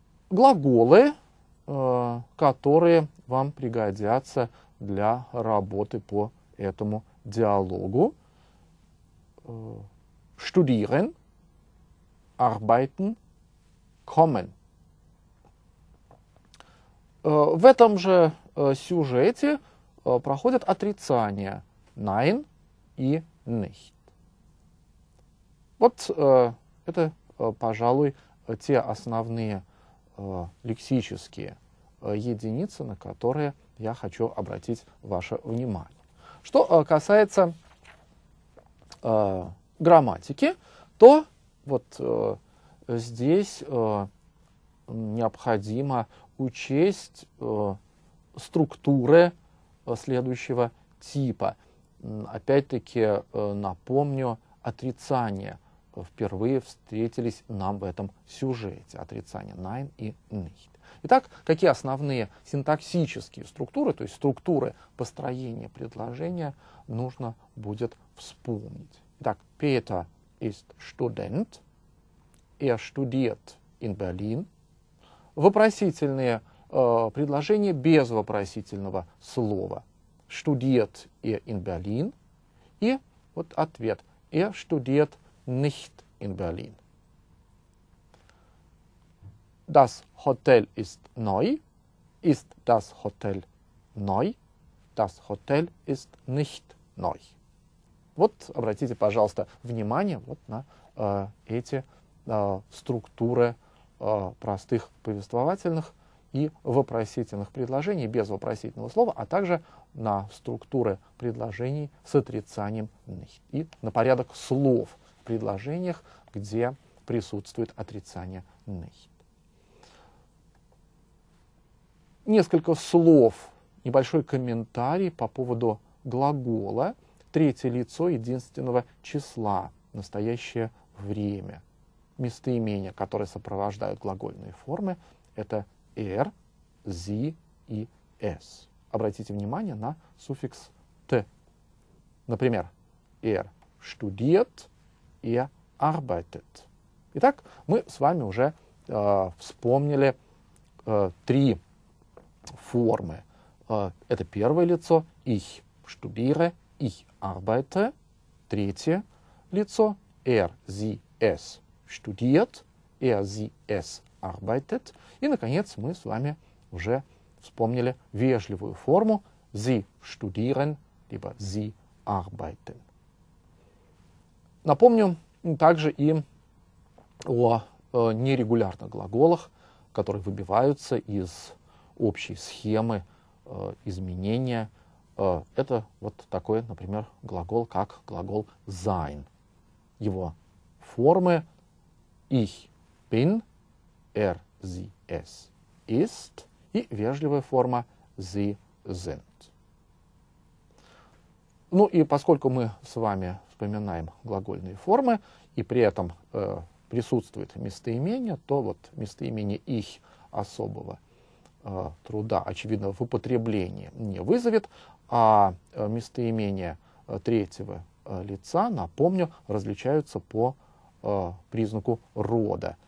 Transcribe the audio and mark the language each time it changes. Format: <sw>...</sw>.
<ru>Глаголы, которые вам пригодятся для работы по этому диалогу.</ru> <de>Studieren, arbeiten, kommen.</de> <ru>В этом же сюжете проходят отрицания nein и nicht. Вот это, пожалуй, те основные лексические единицы, на которые я хочу обратить ваше внимание. Что касается грамматики, то вот здесь необходимо учесть структуры следующего типа. Опять-таки напомню, отрицания впервые встретились нам в этом сюжете. Отрицания nein и nicht. Итак, какие основные синтаксические структуры, то есть структуры построения предложения, нужно будет вспомнить.</ru> <de>Итак, Peter ist Student, er studiert in Berlin.</de> <ru>Вопросительные предложения без вопросительного слова.</ru> <de>Studiert er in Berlin?</de> <ru>И вот ответ.</ru> <de>Er studiert nicht in Berlin. Das Hotel ist neu. Ist das Hotel neu? Das Hotel ist nicht neu.</de> <ru>Вот, обратите, пожалуйста, внимание вот на эти структуры простых повествовательных и вопросительных предложений без вопросительного слова, а также на структуры предложений с отрицанием nicht и на порядок слов в предложениях, где присутствует отрицание nicht. Несколько слов, небольшой комментарий по поводу глагола третье лицо единственного числа, настоящее время. Местоимения, которые сопровождают глагольные формы, это er, sie и es. Обратите внимание на суффикс t. Например,</ru> <de>er studiert, er arbeitet.</de> <ru>Итак, мы с вами уже вспомнили три формы. Это первое лицо,</ru> <de>ich studiere, ich arbeite.</de> <ru>Третье лицо,</ru> <de>er, sie, es studiert, er, sie, es arbeitet.</de> <ru>И, наконец, мы с вами уже вспомнили вежливую форму</ru> <de>sie studieren,</de> <ru>либо</ru> <de>sie arbeiten.</de> <ru>Напомню также и о нерегулярных глаголах, которые выбиваются из общей схемы изменения. Это вот такой, например, глагол, как глагол sein. Его формы</ru> <de>ich bin, er, sie, es ist</de> <ru>и вежливая форма</ru> <de>sie sind.</de> <ru>Ну и поскольку мы с вами вспоминаем глагольные формы, и при этом присутствует местоимение, то вот местоимение ich особого труда, очевидно, в употреблении не вызовет, а местоимение третьего лица, напомню, различаются по признаку рода.</ru>